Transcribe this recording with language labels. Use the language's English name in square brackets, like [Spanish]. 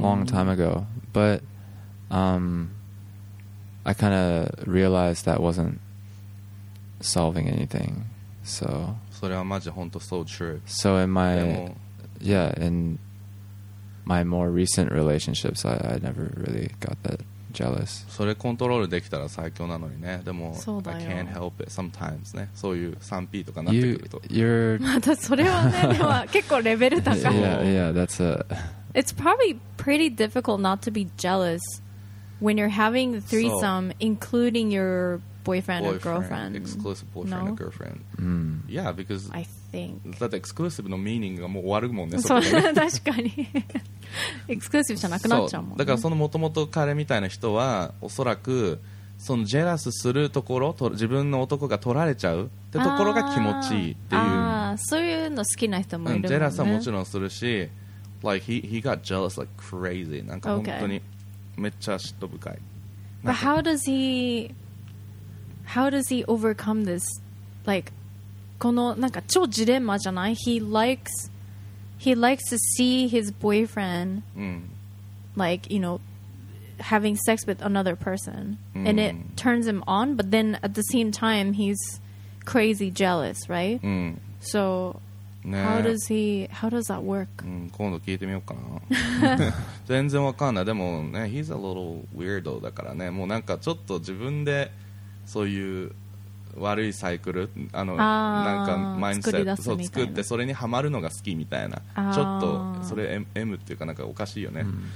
[English] long time ago butI kind of realized that wasn't solving anything. So, [Japanese] それはマジ本当 [English] so true. So in my, yeah, in my more recent relationships, I never really got that jealous. [Japanese] それコントロールできたら最強なのにね。 [English] でも I can't help it sometimes ね。 [Japanese] そういう 3P とかなってくると。 [English] You're [Japanese] またそれはね、でも結構レベル高い。 [English] Yeah, that's a. It's probably pretty difficult not to be jealous. When you're having the threesome, so, including your boyfriend or girlfriend. Exclusive boyfriend or girlfriend.、 Mm. Yeah, because... I think... That exclusive [Japanese] の meaning がもう終わるもんね。そう、確かに。Exclusive じゃなくなっちゃうもん、ね。だからその元々彼みたいな人は、おそらく、そのジェラスするところ、自分の男が取られちゃうってところが気持ちいいっていう。ああ、そういうの好きな人もいるもんね。うん、ジェラスはもちろんするし、 [English] like, he got jealous like crazy. [Japanese] なんか本当に。 [English] Okay. [Japanese] めっちゃ嫉妬深い。 [English] But how does he overcome this? Like, [Japanese] このなんか超ジレンマじゃない? [English] He likes to see his boyfriend,、うん、 like, you know, having sex with another person.、うん、and it turns him on, but then at the same time, he's crazy jealous, right?、うん、 so, ね、how does he, how does that work? [Japanese] 今度聞いてみようかな。全然わかんない。でもね、 [English] he's a little weirdo [Japanese] だからね。もうなんかちょっと自分でそういう悪いサイクル、あの、あ、なんかマインドセット、そう作ってそれにハマるのが好きみたいな。ちょっとそれ M っていうかなんかおかしいよね。